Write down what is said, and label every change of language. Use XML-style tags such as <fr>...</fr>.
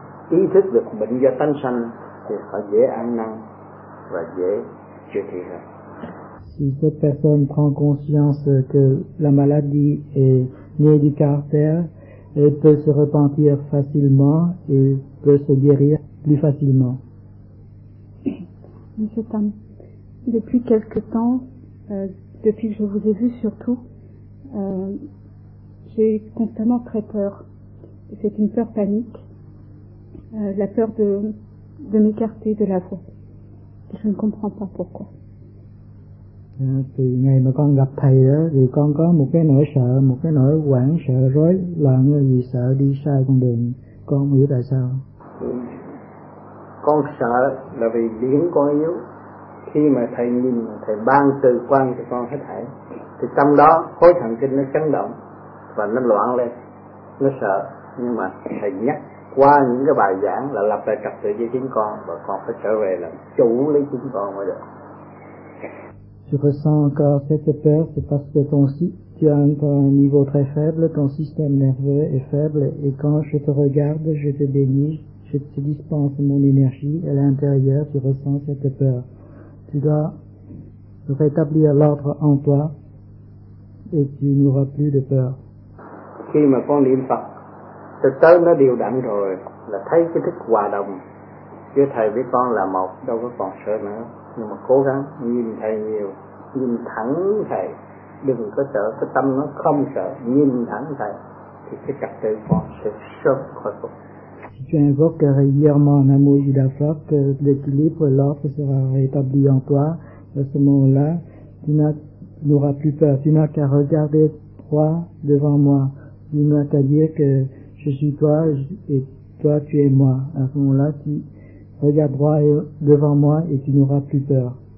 <vi>Ý thức được bệnh do tánh sanh thì họ dễ ăn năn và dễ chữa trị hơn.</vi> <fr>Si cette personne prend conscience que la maladie est née du caractère, elle peut se repentir facilement et peut se guérir plus facilement. Monsieur Tam, depuis quelque temps, depuis que je vous ai vu surtout, j'ai constamment très peur. C'est une peur panique. La peur de de m'écarter de la voie. Et je ne comprends pas pourquoi.</fr> <vi>Từ ngày mà con gặp thầy đó thì con có một cái nỗi sợ, một cái nỗi hoảng sợ rối loạn vì sợ đi sai con đường. Con không hiểu tại sao. Con sợ là vì điển con yếu. Khi mà thầy nhìn, thầy ban từ quan cho con hết thảy, thì trong đó khối thần kinh nó chấn động và nó loạn lên, nó sợ. Nhưng mà thầy nhắc qua những cái bài giảng là lập lại trật tự cho chính con, và con phải trở về là chủ lấy chính con mới được.</vi> <fr>Tu ressens encore cette peur, c'est parce que tu as encore un niveau très faible, ton système nerveux est faible, et quand je te regarde, je te bénis, je te dispense mon énergie, et à l'intérieur, tu ressens cette peur. Tu dois rétablir l'ordre en toi, et tu n'auras plus de peur.</fr> <vi>Khi mà con niệm Phật, từ tới nó điều đặn rồi, là thấy cái thức hòa đồng, chứ thầy với con là một, đâu có còn sợ nữa. Nhưng mà cố gắng nhìn thầy nhiều, nhìn thẳng thầy, đừng có sợ, cái tâm nó không sợ, nhìn thẳng thầy, thì cái trật tự con sẽ sớm khôi phục.</vi> <fr>Si tu invoques régulièrement un amour de la force, l'équilibre, l'ordre sera rétabli en toi, à ce moment-là, tu n'auras plus peur, tu n'as qu'à regarder droit devant moi, tu n'as qu'à dire que je suis toi et toi tu es moi, à ce moment-là, tu regarde droit devant moi et tu n'auras plus peur.</fr>